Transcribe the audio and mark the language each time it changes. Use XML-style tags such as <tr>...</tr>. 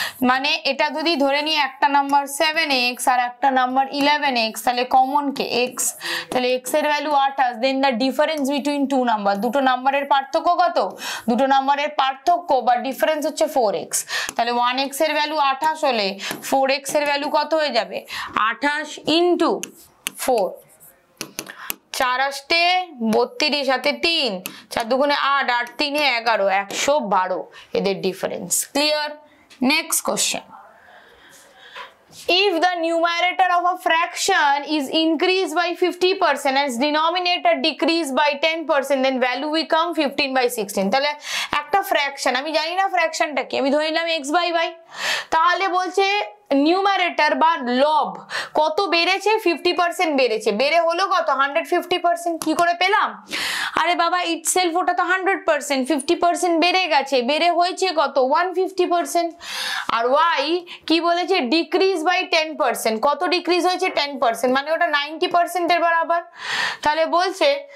<bn>মানে এটা যদি ধরে নিই একটা নাম্বার 7x আর একটা নাম্বার 11x, তাহলে কমন কে x, তাহলে x এর value 8 us,</bn> <en>then the difference between two number,</en> <bn>দুটো নাম্বারের পার্থক্য কত, দুটো নাম্বারের পার্থক্য বা ডিফারেন্স হচ্ছে 4x, তাহলে 1x এর ভ্যালু 28 হলে 4x এর ভ্যালু কত হয়ে যাবে 28 ইনটু 4, 4 আসতে 32 সাথে 3, 4 দুগুণে 8, 8 3 11, 112 এদের difference. Clear? Next question.</bn> <en>If the numerator of a fraction is increased by 50% and its denominator decreased by 10%, then value become 15/16.</en> <bn>তাহলে একটা ফ্র্যাকশন আমি জানি না ফ্র্যাকশনটা কি আমি ধরে নিলাম x by y তাহলে বলছে নিউমারেটর বা লব কত বেড়েছে 50% বেড়েছে বেড়ে হলো কত 150% কি করে পেলাম আরে বাবা ইটসেলফ ওটা তো 100% 50% বেড়ে গেছে বেড়ে হয়েছে কত 150% আর y কি বলেছে ডিক্রিজ বাই 10% কত ডিক্রিজ হয়েছে 10% মানে ওটা 90% এর বরাবর তাহলে বলছে</bn>